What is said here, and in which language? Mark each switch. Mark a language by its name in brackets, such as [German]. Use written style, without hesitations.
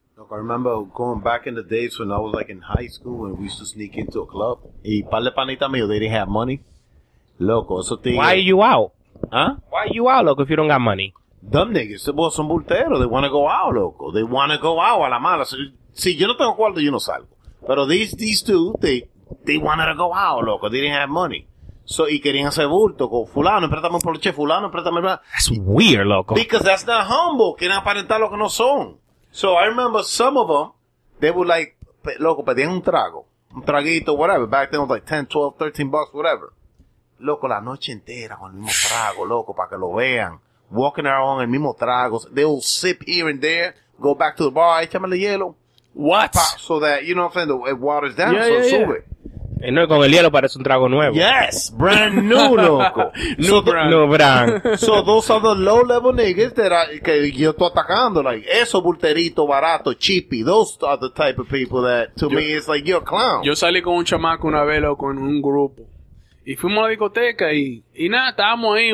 [English] I remember going back in the days when I was like in high school and we used to sneak into a club. [Spanish] Y par de panita mío, [English] they didn't have money. [Spanish] Loco, eso te... [English] Why are you out? Huh? Why are you out, loco, if you don't got money? Dumb niggas. Well, son bulteros. They want to go out, loco. They want to go out [Spanish] a la mala. So, si yo no tengo cuarto, yo no salgo. [English] Pero these two, they wanted to go out, loco. They didn't have money. [Spanish] So, y querían hacer bulto con fulano, préstame un poloche, fulano, préstame... [English] That's weird, loco. Because that's not humble. [Spanish] Quieren aparentar lo que no son. [English] So, I remember some of them, they were like, loco, [Spanish] pedían un trago. Un traguito, [English] whatever. Back then, it was like 10, 12, 13 bucks, whatever. Loco, [Spanish] la noche entera con el mismo trago, loco, para que lo vean. [English] walking around, [Spanish] el mismo trago. [English] They'll sip here and there, go back to the bar, [Spanish] échame el hielo. [English] What? So that, you know what I'm saying, it waters down, yeah, so yeah, sube. Yeah. [Spanish] Y no, con el hielo parece un trago nuevo. [English] Yes, brand new, loco. New so brand. New brand. So those are the low level niggas that I, [Spanish] que yo estoy atacando. Like, eso bulterito, barato, cheapy. [English] Those are the type of people that, to yo, me, it's like, you're a clown. [Spanish] Yo salí con un chamaco una vez, loco, en un grupo. Y fuimos a la discoteca y nada, estábamos ahí.